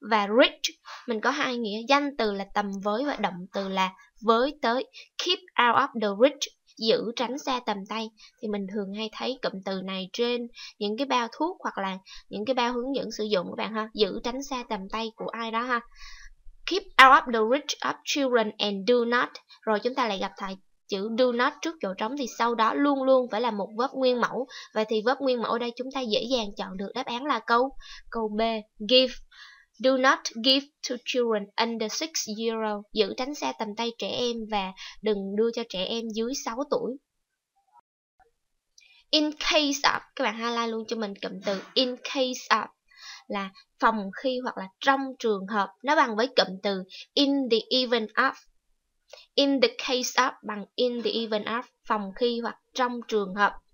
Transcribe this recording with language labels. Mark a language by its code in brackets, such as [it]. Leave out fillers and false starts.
[vi] Và reach, mình có hai nghĩa, danh từ là tầm với và động từ là với tới. [en] Keep out of the reach, [vi] giữ tránh xa tầm tay. Thì mình thường hay thấy cụm từ này trên những cái bao thuốc hoặc là những cái bao hướng dẫn sử dụng các bạn ha. Giữ tránh xa tầm tay của ai đó ha. [en] Keep out of the reach of children and do not. [vi] Rồi chúng ta lại gặp thầy chữ do not trước chỗ trống thì sau đó luôn luôn phải là một verb nguyên mẫu. Vậy thì verb nguyên mẫu ở đây chúng ta dễ dàng chọn được đáp án là câu B, give. [en] Do not give to children under 6 years old. [vi] Giữ tránh xa tầm tay trẻ em và đừng đưa cho trẻ em dưới 6 tuổi. In case of, các bạn highlight luôn cho mình cụm từ in case of là phòng khi hoặc là trong trường hợp. Nó bằng với cụm từ in the event of. In the case of bằng in the event of, phòng khi hoặc trong trường hợp.